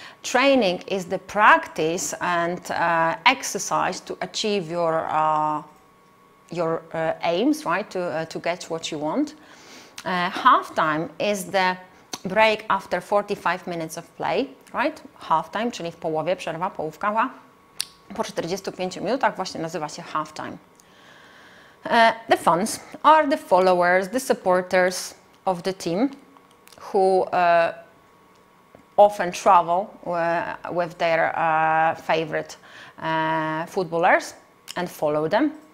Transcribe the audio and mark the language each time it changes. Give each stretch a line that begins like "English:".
English: Training is the practice and exercise to achieve your aims, right? To get what you want. Halftime is the break after 45 minutes of play, right?
Polish: Halftime, czyli w połowie, przerwa, połówka. Po 45 minutach właśnie nazywa się halftime.
English: The fans are the followers, the supporters of the team who often travel with their favorite footballers and follow them.